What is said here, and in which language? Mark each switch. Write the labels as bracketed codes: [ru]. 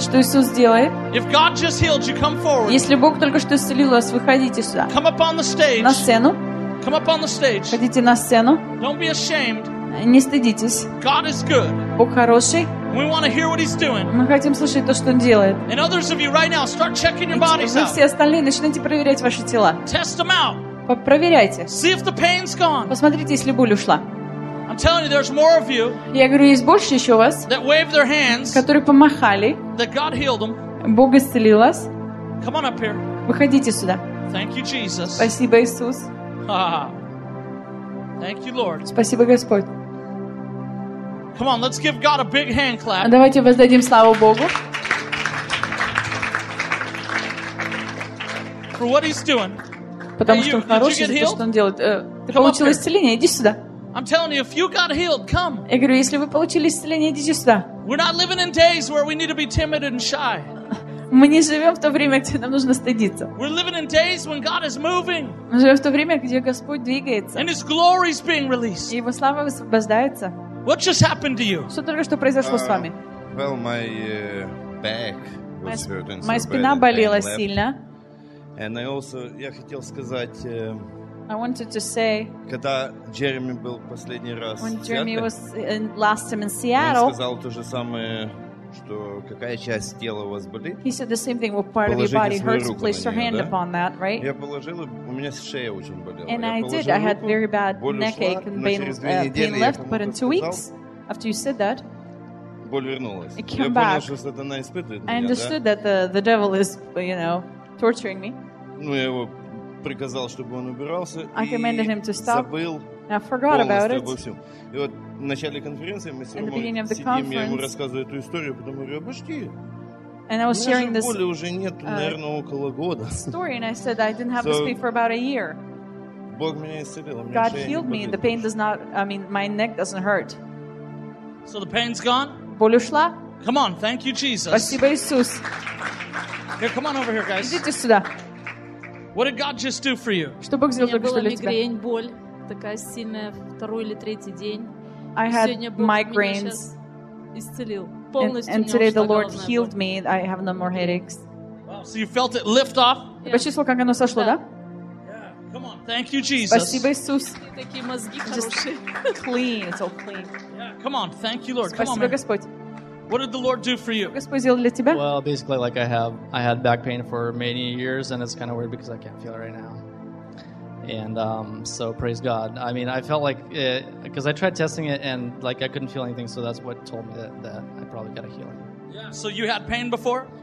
[ru] Что Иисус делает? [en] If God just healed you, come forward. [ru] Если Бог только что исцелил вас, выходите сюда. [en] Come up on the stage. [ru] На сцену. [en] Come up on the stage. [ru] Ходите на сцену. [en] Don't be ashamed. [ru] Не стыдитесь. [en] God is good. [ru] Бог хороший. [en] We want to hear what he's doing. [ru] Мы хотим слышать то, что он делает. [en] And others of you right now, start checking your bodies out. [ru] И все остальные, начинайте проверять ваши тела. [en] Test them out. [ru] Проверяйте. [en] See if the pain's gone. [ru] Посмотрите, если боль ушла. [en] I'm telling you, there's more of you. [ru] Я говорю, есть больше еще вас. [en] That waved their hands. [ru] Которые помахали. [en] That God healed them. [ru] Бог исцелил вас. [en] Come on up here. [ru] Выходите сюда. [en] Thank you, Jesus. [ru] Спасибо, Иисус. [en] Thank you, Lord. [ru] Спасибо, Господь. [en] Come on, let's give God a big hand clap. [ru] Давайте воздадим славу Богу. [en] For what he's doing. [ru] Потому что он хороший, за то, что он делает. Ты получил исцеление, иди сюда. [en] I'm telling you, if you got healed, come. [ru] Я говорю, если вы получили исцеление, идите сюда. [en] We're not living in days where we need to be timid and shy. [ru] Мы не живем в то время, где нам нужно стыдиться. [en] We're living in days when God is moving. [ru] Мы живем в то время, где Господь двигается. [en] And his glory is being released. [ru] И его слава высвобождается. [en] What just happened to you? [ru] Что только что произошло с вами? [en] Well, my back was hurting. [ru] Моя спина болела сильно. [en] And I also, [ru] я хотел сказать. [en] I wanted to say. [ru] Когда Джереми был последний раз. [en] When Jeremy was in, last time in Seattle. [ru] Он сказал то же самое, что какая часть тела у вас болит? [en] He said the same thing. What part of your body hurts? Place your hand upon that, right? [ru] Я положил, у меня шея очень болела. [en] And I did. I had very bad neck ache and pain left. But in 2 weeks after you said that. [ru] Боль вернулась. [en] It came back. [ru] Я понял, что сатана испытывает меня. [en] I understood that the devil is, you know, torturing me. [ru] Ну я его приказал, чтобы он убирался. [en] I commanded him to stop. [ru] Забыл. [en] I forgot about it. [ru] И вот в начале конференции мы с Ромой ему рассказывали эту историю, потом говорю, обожди. [en] And I was sharing this. [ru] Боли уже нет, наверное, около года. [en] Story, and I said I didn't have this pain for about a year. [ru] Бог меня исцелил. [en] God healed me. The pain does not. I mean, my neck doesn't hurt. So the pain's gone. [ru] Боль ушла. [en] Come on, thank you, Jesus. [ru] Спасибо, Иисус. [en] Here, come on over here, guys. [ru] Идите сюда. [en] What did God just do for you? [ru] Что Бог сделал только что для тебя? У меня была мигрень, боль такая сильная второй или третий день. [en] I had migraines. [ru] Исцелил. [en] And today the Lord healed me. I have no more headaches. Wow, so you felt it lift off? [ru] Я почувствовал, как оно сошло, да? [en] Yeah. Come on. Thank you, Jesus. [ru] Спасибо, Иисус. Такие мозги хорошие. [en] Clean. It's all clean. Yeah. Come on. Thank you, Lord. [ru] Спасибо, Господь. [en] What did the Lord do for you? [ru] Господь сделал для тебя? [en] Well, basically, like I had back pain for many years, and it's kind of weird because I can't feel it right now. And so praise God. I mean, I felt like because I tried testing it and like I couldn't feel anything, so that's what told me that I probably got a healing. Yeah. So you had pain before?